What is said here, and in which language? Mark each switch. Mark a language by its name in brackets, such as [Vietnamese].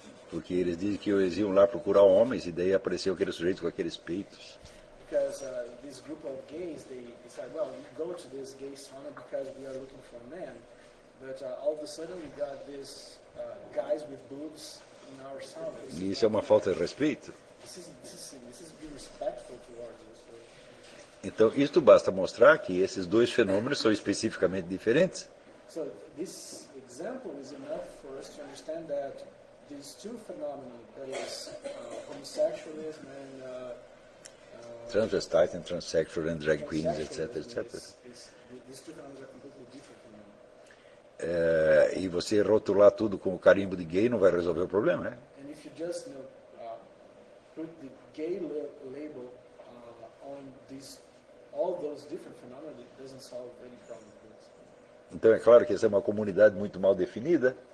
[Portuguese] Porque eles dizem que eles iam lá procurar homens e daí apareceu aquele sujeito com aqueles peitos. [English] Because this group of gays, they said, well, we go to this gay sauna because we are looking for men. But all of a sudden we got these guys with boobs in our sauna. [Portuguese] E isso é uma falta de respeito. [English] This is being respectful towards us. [Portuguese] Então, isto basta mostrar que esses dois fenômenos são especificamente diferentes. [English] So, this example is enough for us to understand that these two phenomena, that is, homosexualism and transvestite and transsexual and drag queens, etc., etc. These two phenomena are completely different from them. [Portuguese] E você rotular tudo com o carimbo de gay não vai resolver o problema, né? [English] And if you just, you know, put the gay label on this, all those different phenomena, it doesn't solve any problem. [Portuguese] Então é claro que essa é uma comunidade muito mal definida.